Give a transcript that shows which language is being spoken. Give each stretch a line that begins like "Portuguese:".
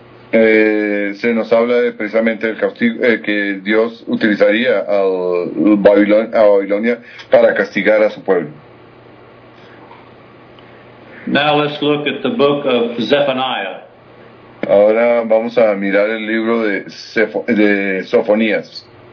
Spanish: Se nos habla de precisamente el castigo que Dios utilizaría a Babilonia para castigar a su pueblo.
English: Now let's look at the book of Zephaniah.
Spanish: Ahora vamos a mirar el libro de Sofonías.